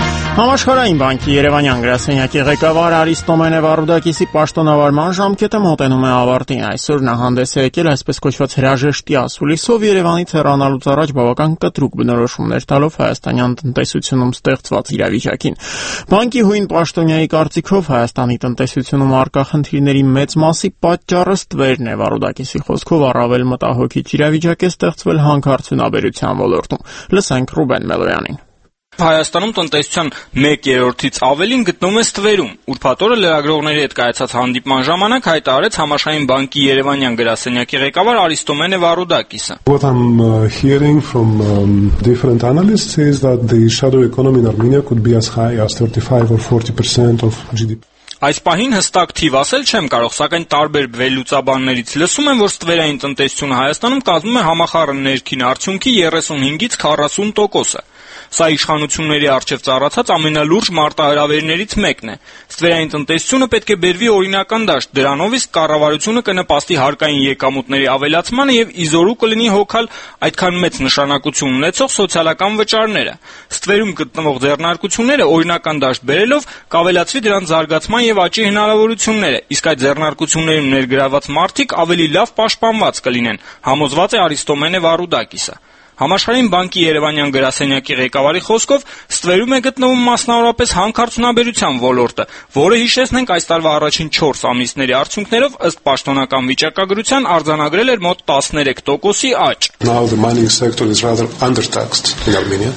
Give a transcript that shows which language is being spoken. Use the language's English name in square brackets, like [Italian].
[Armenian] Համաշխարհային բանկի Երևանյան գրասենյակի ղեկավար Արիստոմենե Վարուդակիսի պաշտոնավարման ժամկետը մոտենում է ավարտին։ Այսօր նա հանդես է եկել այսպես կոչված հրաժեշտի ասուլիսով, Երևանից հեռանալուց առաջ բավական կտրուկ բնորոշումներ տալով հայաստանյան տնտեսությունում ստեղծված իրավիճակին։ Բանկի հույն պաշտոնյայի կարծիքով հայաստանի տնտեսությունում առկա խնդիրների մեծ մասի պատճառը ստվերն է, Վարուդակիսի խոսքով առավել մտահոգիչ իրավիճակ է ստեղծվել հանքարդյունաբերության ոլորտում։ Լսենք Ռուբեն Մելոյանին։ Հայաստանում տնտեսության 1/3-ից ավելին գտնվում է Ստվերում։ Ուրբաթորը լրագրողների հետ կայացած հանդիպման ժամանակ հայտարարեց Համաշխարհային բանկի Երևանյան գրասենյակի ղեկավար Արիստոմենե Վարուդակիսը։ [English] What I'm hearing from different analysts is that the shadow economy in Armenia could be as high as 35 or 40% of GDP. [Armenian] Այս պահին հստակ թիվ ասել չեմ կարող, սակայն տարբեր վերլուծաբաններից լսում եմ, որ Ստվերային տնտեսությունը Հայաստանում կազմում է համախառն ներքին արդյունքի 35-ից 40%-ը։ սա իշխանությունների առջև ծառացած ամենալուրջ մարտահրավերներից մեկն է։ Ստվերային տնտեսությունը պետք է բերվի օրինական դաշտ, դրանով իսկ կառավարությունը կնպաստի հարկային եկամուտների ավելացմանը և իզորու կլինի հոգալ այդքան մեծ նշանակություն ունեցող սոցիալական վճարները։ Ստվերում գտնվող ձեռնարկությունները օրինական դաշտ բերելով կավելացվի դրան զարգացման և աճի հնարավորությունները, իսկ այդ ձեռնարկություններում ներգրաված մարդիկ ավելի լավ պաշտպանված կլինեն, համոզված է Արիստոմենե Վարուդակիսը։ Համաշխարհային բանկի Երևանյան գրասենյակի ղեկավարի խոսքով Ստվերում է գտնվում մասնավորապես հանքարդյունաբերության ոլորտը, որը հիշեցնենք այս տարվա առաջին 4 ամիսների արդյունքներով ըստ պաշտոնական վիճակագրության արձանագրել էր մոտ 13% աճ։ [English] Now the mining sector is rather undertaxed in Armenia.